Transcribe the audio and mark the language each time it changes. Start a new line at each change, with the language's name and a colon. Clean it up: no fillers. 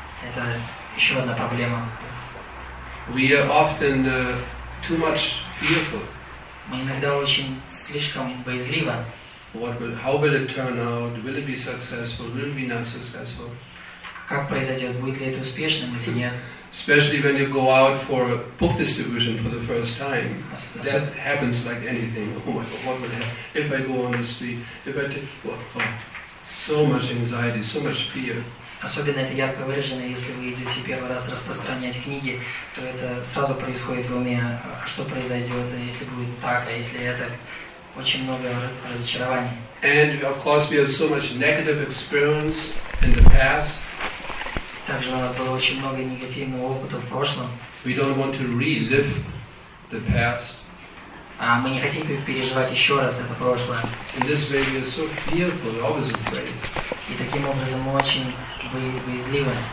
Russian: Это еще одна проблема.
English: We are often too much fearful.
Russian: Мы иногда очень слишком боязливы.
English: What will? How will it turn out? Will it be successful? Will it be not successful?
Russian: Как произойдет? Будет ли это успешным или нет?
English: Especially when you go out for a book distribution for the first time, that happens like anything. Oh, what would happen if I go on the street? If I so much anxiety, so much fear.
Russian: Особенно это ярко выражено, если вы идете первый раз распространять книги, то это сразу происходит в уме, что произойдет, если будет так, а если это очень много разочарований.
English: And of course, we have so much negative experience in the past.
Russian: Также у нас было очень много негативного опыта в прошлом.
English: We don't want to relive the past.
Russian: А мы не хотим переживать еще раз это прошлое.
English: In this way we are so fearful, always afraid.
Russian: И таким образом мы очень боязливы.